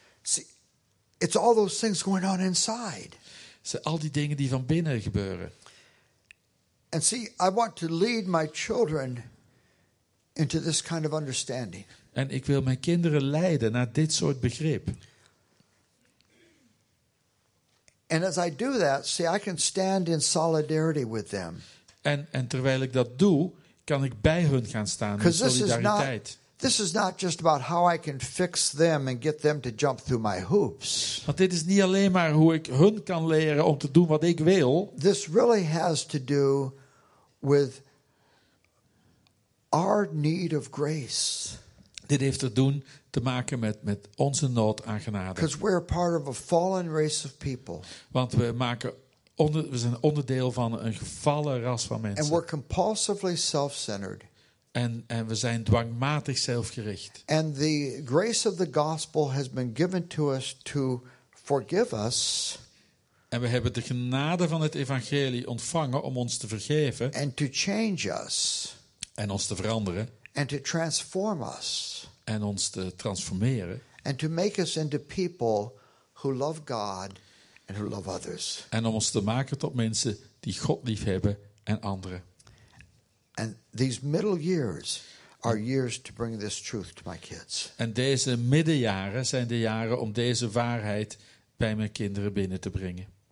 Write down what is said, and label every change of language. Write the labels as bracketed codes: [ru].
[en] See, it's all those things going on inside. [nl] Het zijn al die dingen die van binnen gebeuren. [en] And see, I want to lead my children into this kind of understanding. [nl] En ik wil mijn kinderen leiden naar dit soort begrip. [en] And as I do that, see, I can stand in solidarity with them. [nl] En terwijl ik dat doe, kan ik bij hun gaan staan in solidariteit. [en] This is not just about how I can fix them and get them to jump through my hoops. [nl] Want dit is niet alleen maar hoe ik hun kan leren om te doen wat ik wil. [en] This really has to do with our need of grace. [nl] Dit heeft te maken met onze nood aan genade. [en] Because we're part of a fallen race of people. [nl] Want we zijn onderdeel van een gevallen ras van mensen. [en] And we're compulsively self-centered. [nl] En we zijn dwangmatig zelfgericht. [en] And the grace of the gospel has been given to us to forgive us. [nl] En we hebben de genade van het evangelie ontvangen om ons te vergeven. [en] And to change us. [nl] En ons te veranderen. [en] And to transform us. [nl] En ons te transformeren. [en] And to make us into people who love God and who love others. [nl] En om ons te maken tot mensen die God lief hebben en anderen. [en] And these middle years are years to bring this truth to my kids. [nl] En deze middenjaren zijn de jaren om deze waarheid bij mijn kinderen binnen te brengen.